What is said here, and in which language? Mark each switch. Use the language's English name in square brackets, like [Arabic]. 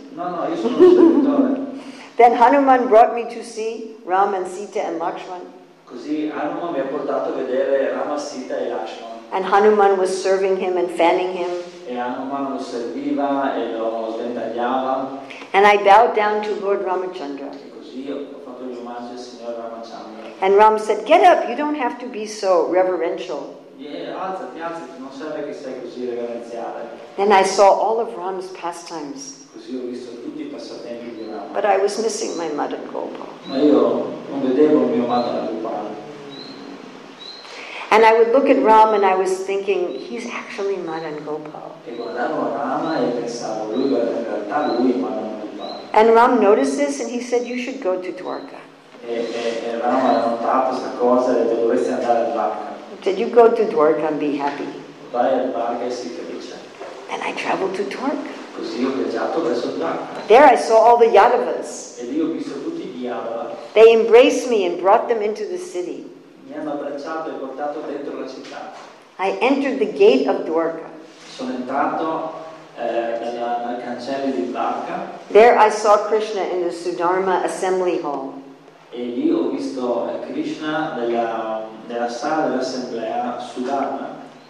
[Italian] No, io sono un servitore. [English] Then Hanuman brought me to see Ram and Sita and Lakshman. [Italian] Così Hanuman mi ha portato a vedere Rama, Sita e Lakshman. [English] And Hanuman was serving him and fanning him. [Italian] E Hanuman lo serviva e lo sventagliava. [English] And I bowed down to Lord Ramachandra. [Italian] E così ho fatto gli omaggi al signor Ramachandra. [English] And Ram said, get up, you don't have to be so reverential. [Italian] Alzati, non serve che sei così reverenziale. [English] Then I saw all of Ram's pastimes. [Italian] Così ho visto tutti i passatempi di Ram. [English] But I was missing my Madan Gopal. [Italian] Ma io non vedevo il mio Madan Gopal. [English] And I would look at Ram and I was thinking, he's actually Madan Gopal. [Italian] E guardavo a Rama e pensavo, lui in realtà lui è Madan Gopal. [English] And Ram noticed this and he said, you should go to Dwarka. [Italian] E Rama ha notato questa cosa e detto, dovresti andare a Dwarka. [English] Did you go to Dwarka and be happy? [Italian] Vai a Dwarka e sii felice. [English] Then I traveled to Dwarka. [Italian] Così ho viaggiato verso Dwarka. [English] There I saw all the Yadavas. [Italian] E lì ho visto tutti gli Yadava. [English] They embraced me and brought them into the city. [Italian] Mi hanno abbracciato e portato dentro la città. [English] I entered the gate of Dwarka. [Italian] Sono entrato nel cancello di Dwarka. [English] There I saw Krishna in the Sudharma assembly hall. [Italian] E lì ho visto Krishna nella sala dell'assemblea Sudharma.